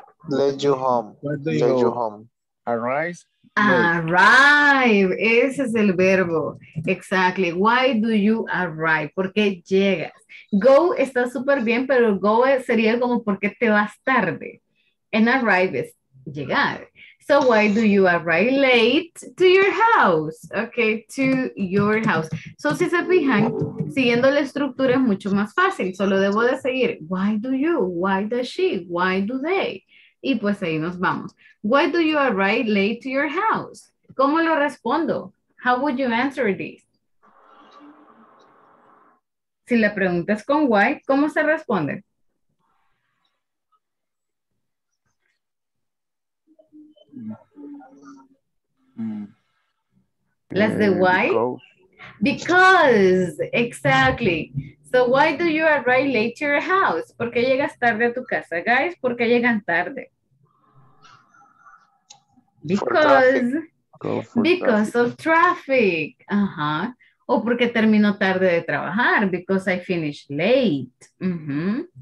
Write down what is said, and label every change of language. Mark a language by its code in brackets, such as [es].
[en] Let you home, let you home. Arrive. [es] Arrive, ese es el verbo, exactly. [en] Why do you arrive? [es] ¿Por qué llegas? Go está súper bien, pero go sería como ¿por qué te vas tarde? And arrive es llegar. [en] So why do you arrive late to your house? Okay, to your house. [es] So si se fijan, siguiendo la estructura es mucho más fácil. Solo debo de seguir. [en] Why do you? Why does she? Why do they? [es] Y pues ahí nos vamos. [en] Why do you arrive late to your house? [es] ¿Cómo lo respondo? [en] How would you answer this? [es] Si la pregunta es con why, ¿cómo se responde? Las de why? [en] Because, exactly. So why do you arrive late to your house? [es] ¿Por qué llegas tarde a tu casa, guys? ¿Por qué llegan tarde? [en] Because of traffic. Uh-huh. [es] O porque termino tarde de trabajar. [en] Because I finish late. [es] Mm-hmm.